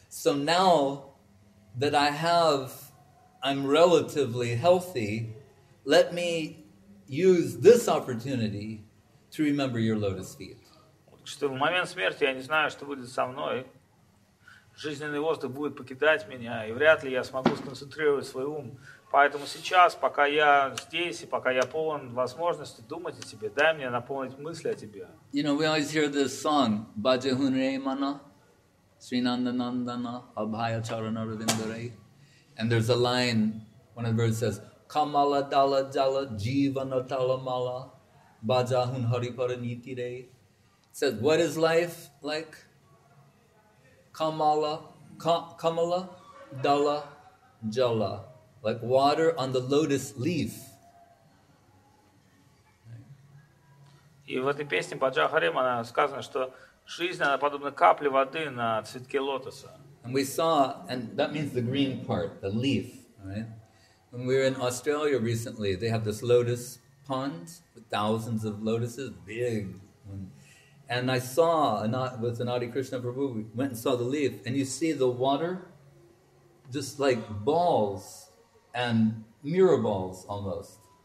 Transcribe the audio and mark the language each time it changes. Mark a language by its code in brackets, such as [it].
[en] So now, that I have, I'm relatively healthy, let me use this opportunity to remember your lotus feet. [ru] Что в момент смерти я не знаю, что будет со мной. Жизненный воздух будет покидать меня, и вряд ли я смогу сконцентрировать свой ум. Поэтому сейчас, пока я здесь, и пока я полон возможности думать о тебе, дай мне наполнить мысли о тебе. [en] You know, we always hear this song, Bhaja Hunre Mana. [bn] Srinanda Nandana Abhaya Charana Ravindare. [en] And there's a line, one of the verses says, [bn] Kamala Dala Jala Jivana Talamala Bajahun Haripara Nitire. [en] It says, what is life like? [bn] Kamala Dala Jala. [en] Like water on the lotus leaf. [ru] И в этой песне Баджа Харимана сказано, что жизнь, она подобна капле воды на цветке лотоса. [en] And we saw, and that means the green part, the leaf, right? When we were in Australia recently, they have this lotus pond with thousands of lotuses, big. And I saw, with Anadi Krishna Prabhu, we went and saw the leaf, and you see the water, just like balls, and mirror balls almost.